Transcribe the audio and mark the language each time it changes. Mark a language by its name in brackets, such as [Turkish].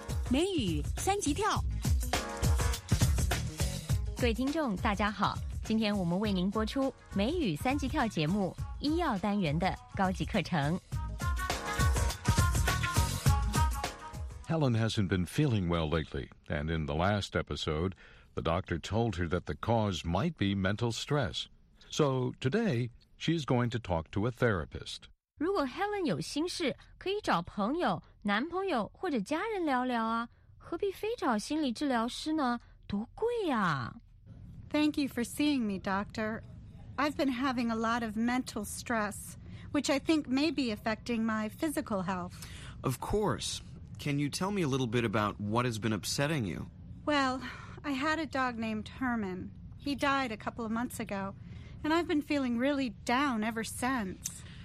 [Chinese] 美语三级跳。各位听众，大家好，今天我们为您播出美语三级跳节目医药单元的高级课程。 [English] Helen hasn't been feeling well lately, and in the last episode, the doctor told her that the cause might be mental stress. So today, she is going to talk to a therapist. [Chinese] 如果 Helen 有心事，可以找朋友、男朋友或者家人聊聊啊，何必非找心理治疗师呢？多贵啊！ [English] Thank you for seeing me, doctor. I've been having a lot of mental stress, which I think may be affecting my physical health. Of course. Can you tell me a little bit about what has been upsetting you? Well, I had a dog named Herman. He died a couple of months ago, and I've been feeling really down ever since.